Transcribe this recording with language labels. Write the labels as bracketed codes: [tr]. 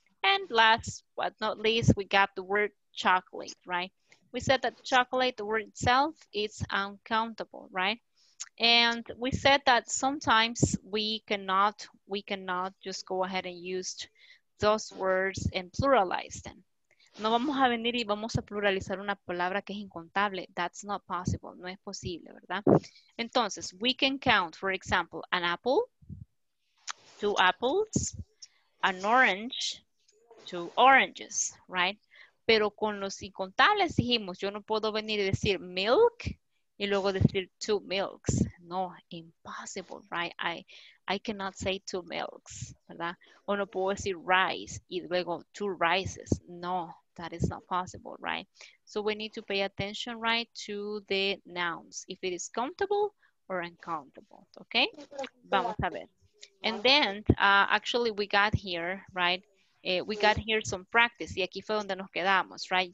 [en] And last but not least, we got the word chocolate, right? We said that chocolate, the word itself, is uncountable, right? And we said that sometimes we cannot just go ahead and use those words and pluralize them. [es] No vamos a venir y vamos a pluralizar una palabra que es incontable. [en] That's not possible, [es] no es posible, ¿verdad? Entonces, [en] we can count, for example, an apple, two apples, an orange, two oranges, right? [es] Pero con los incontables dijimos, yo no puedo venir y decir milk y luego decir [en] two milks. No, impossible, right? I cannot say two milks, [es] ¿verdad? O no puedo decir rice y luego [en] two rices. No, that is not possible, right? So we need to pay attention, right, to the nouns. If it is countable or uncountable, okay? [es] Vamos a ver. [en] And then, actually, we got here, right? We got here some practice. [es] Y aquí fue donde nos quedamos, [en] right?